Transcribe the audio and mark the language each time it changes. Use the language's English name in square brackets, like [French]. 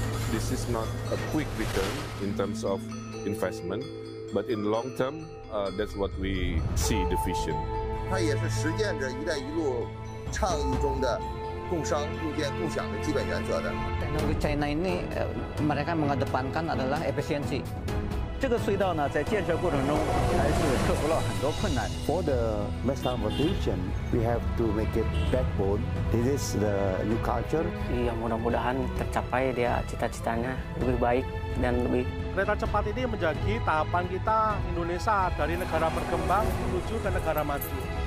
[English] this is not a quick return in terms of investment, but in long term, that's what we see the vision. [Chinese] 它也是实践着一带一路倡议中的共商共建共享的基本原则的。 [Indonesian] Teknologi China ini mereka mengedepankan adalah efisiensi. [Chinese] 这个隧道呢，在建设过程中还是克服了很多困难。 [English] For the West Transportation, we have to make it backbone. This is the new culture. [Indonesian] Yang mudah-mudahan tercapai dia cita-citanya lebih baik dan lebih. Kereta cepat ini menjadi tahapan kita Indonesia dari negara berkembang menuju ke negara maju.